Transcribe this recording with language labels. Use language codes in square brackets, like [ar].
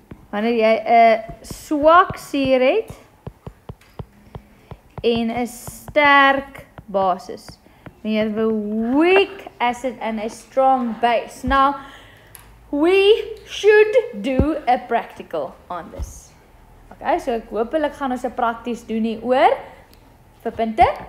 [af] Wanneer jy 'n swak suur het en 'n sterk basis. [en] We have a weak acid and a strong base. Now, we should do a practical on this. [af] Okay, so ek hoop hulle gaan ons 'n prakties doen hier oor vir punte.